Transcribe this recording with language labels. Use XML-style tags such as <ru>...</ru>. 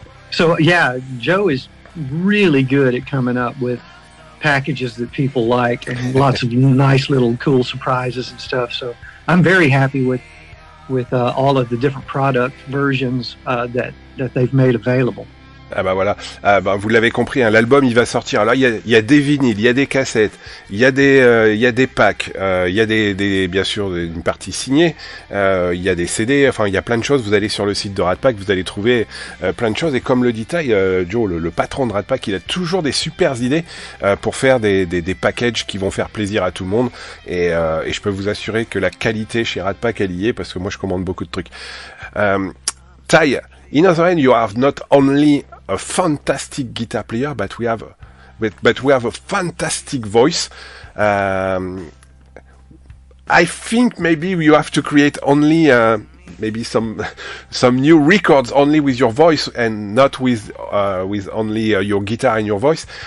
<en>So, yeah, Joe is really good at coming up with packages that people like, and lots of nice little cool surprises and stuff. So I'm very happy with all of the different product versions that they've made available.</en> <fr>Ah bah voilà, vous l'avez compris, hein, l'album il va sortir. Alors il y a des vinyles, il y a des cassettes, il y a des packs, il y a des bien sûr une partie signée, il y a des CD, enfin il y a plein de choses. Vous allez sur le site de Rat Pak, vous allez trouver plein de choses. Et comme le dit Ty, Joe, le patron de Rat Pak, il a toujours des super idées pour faire des packages qui vont faire plaisir à tout le monde. Et je peux vous assurer que la qualité chez Rat Pak elle y est, parce que moi je commande beaucoup de trucs.</fr> <en>Ty, in other end, you have not only a fantastic guitar player, but we have a fantastic voice. I think maybe you have to create only maybe some new records only with your voice and not with with only your guitar and your voice.</en>